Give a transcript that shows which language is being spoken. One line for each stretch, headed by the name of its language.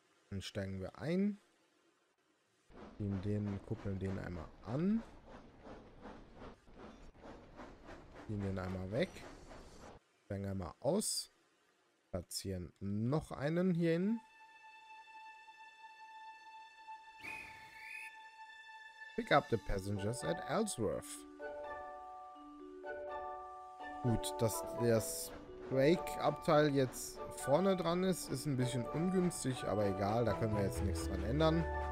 German: Dann steigen wir ein. Nehmen den, kuppeln den einmal an. Nehmen den einmal weg. Steigen einmal aus. Platzieren noch einen hier hin.
English: Pick up the passengers at Ellsworth.
German: Gut, dass das Brake-Abteil jetzt vorne dran ist, ist ein bisschen ungünstig, aber egal, da können wir jetzt nichts dran ändern.